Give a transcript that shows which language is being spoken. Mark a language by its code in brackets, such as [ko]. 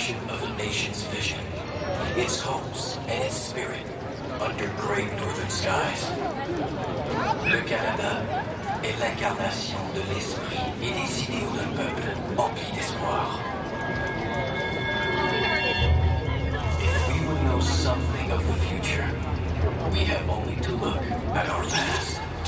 [en] Of the nation's vision, its hopes, and its spirit under great northern skies. [fr] Le Canada est l'incarnation de l'esprit et des idéaux d'un peuple empli d'espoir. [en] If we would know something of the future, we have only to look at our past.